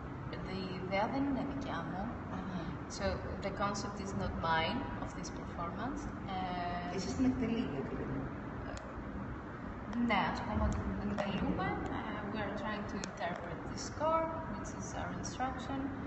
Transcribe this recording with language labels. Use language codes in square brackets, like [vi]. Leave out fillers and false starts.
[en] The idea [el] δεν είναι δικιά μου. [en] So the concept is not mine of this performance. [el] Εσείς την εκτελείτε, δηλαδή. Ναι, ας πούμε ότι την εκτελούμε. [en] We are trying to interpret the score, which is our instruction.